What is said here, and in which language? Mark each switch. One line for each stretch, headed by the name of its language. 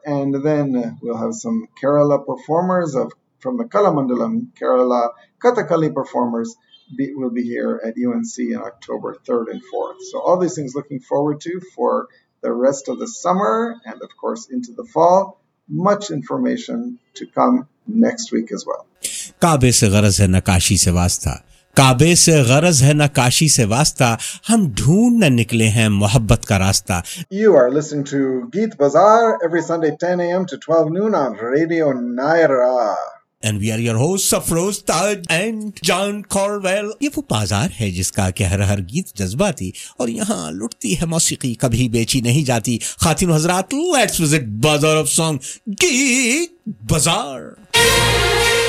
English: And then we'll have some Kerala performers from the Kalamandalam, Kerala Kathakali performers will be here at UNC on October 3rd and 4th. So all these things looking forward to for the rest of the summer and, of course, into the fall. Much information to come next week as well.
Hindi: Kaabe se gharaz hai nakashi se waasta. काबे से गरज है ना काशी से वास्ता हम ढूंढ न निकले हैं मोहब्बत का रास्ता.
English: You are listening to Geet Bazaar every Sunday 10 a.m. to 12 noon on Radio Nyra. And we are your hosts Afroz Taj and John Corwell.
Hindi: ये वो बाजार है जिसका के हर हर गीत जज्बाती और यहाँ लुटती है मौसीकी कभी बेची नहीं जाती. खातिन हजरात,
English: let's visit Bazaar of Song, Geet Bazaar.